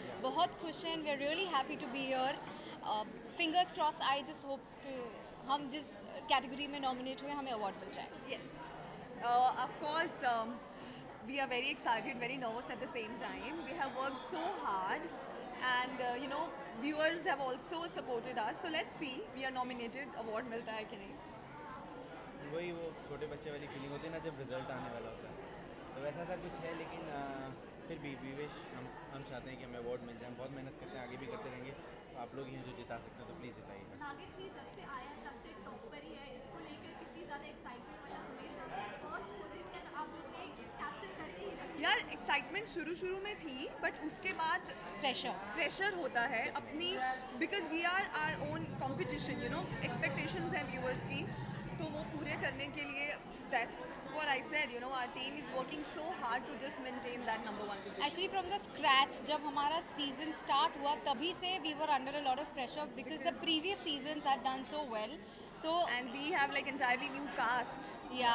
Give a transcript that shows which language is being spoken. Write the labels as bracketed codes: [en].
[hi] बहुत खुश हैं, [en] we are really happy to be here. Fingers crossed, I just hope ke [hi] हम जिस category में nominate हुए हमें award मिल जाए. [en] Yes. Of course, we are very excited, very nervous at the same time. We have worked so hard and you know, viewers have also supported us. So let's see, we are nominated, award [hi] मिलता है कि नहीं. वही वो छोटे बच्चे वाली feeling होती है ना जब रिजल्ट आने वाला होता है, तो वैसा सा कुछ है. लेकिन फिर भी [en] we wish, [hi] हम चाहते हैं कि हमें अवार्ड मिल जाए. बहुत मेहनत करते हैं, आगे भी करते रहेंगे. आप लोग ही हैं जो जिता सकते हैं, तो प्लीज़ जिताइए. जब से आया तब से टॉप पर ही है, इसको लेकर कितनी ज़्यादा एक्साइटमेंट शुरू में थी, बट उसके बाद प्रेशर होता है अपनी, [en] because we are our own competition, you know, [hi] expectations हैं व्यूअर्स की, तो वो पूरे करने के लिए [en] that's what I said, you know, our team is working so hard to just maintain that number one position. Actually, from the scratch, [hi] jab hamara season start hua, tabhi se [en] we were under a lot of pressure because the previous seasons had done so well. So, and we have like entirely new cast. Yeah.